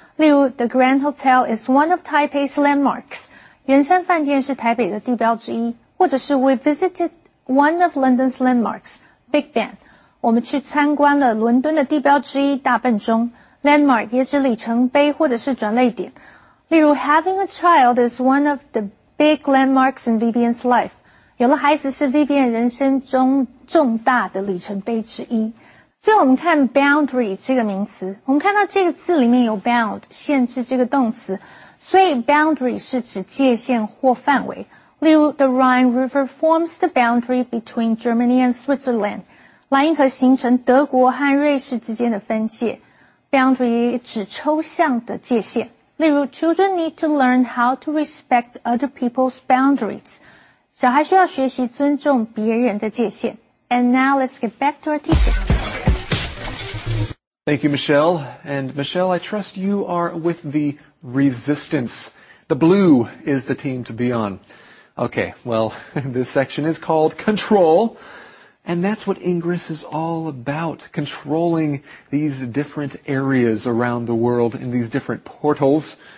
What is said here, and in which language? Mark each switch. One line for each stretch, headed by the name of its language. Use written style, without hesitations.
Chinese: 例如
English: The Grand Hotel is one of Taipei's landmarks，
Chinese: 圆山饭店是台北的地标之一，或者是
English: We visited one of London's landmarks, Big Ben，
Chinese: 我们去参观了伦敦的地标之一大笨钟。 landmark 也指里程碑或者是转捩点。例如
English: Having a child is one of theBig landmarks in Vivian's life.
Chinese: 有了孩子是 Vivian 人生中重大的里程碑之一。最后我们看 boundary 这个名词，我们看到这个字里面有 bound 限制这个动词，所以 boundary 是指界限或范围。例如
English: The Rhine River forms the boundary between Germany and Switzerland.
Chinese: 莱茵河形成德国和瑞士之间的分界。 boundary 也指抽象的界限。例如
English: children need to learn how to respect other people's boundaries.
Chinese: 小孩需要学习尊重别人的界限。
English: And now let's get back to our teacher. Thank you, Michelle. And Michelle, I trust you are with the resistance. The blue is the team to be on. Okay, well, this section is called Control. And that's what Ingress is all about, controlling these different areas around the world in these different portals.